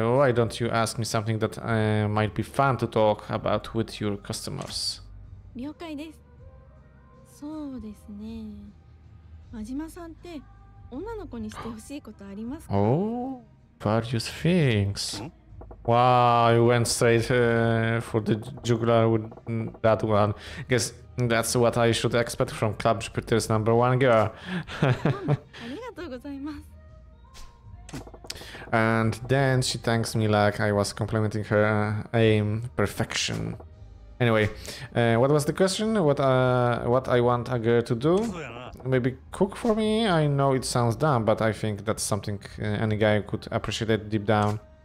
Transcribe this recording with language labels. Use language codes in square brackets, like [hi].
[en] Why don't you ask me something that might be fun to talk about with your customers? [ja] 了解です。そうですね。真島さんって女の子にしてほしいことありますか? [en] Oh, various things. Wow, you went straight for the jugular with that one. Guess that's what I should expect from Club Jupiter's number one girl. [ja] ありがとうございます。 [en] And then she thanks me like I was complimenting her aim perfection. Anyway, what was the question? What I want a girl to do? Maybe cook for me? I know it sounds dumb, but I think that's something any guy could appreciate it deep down.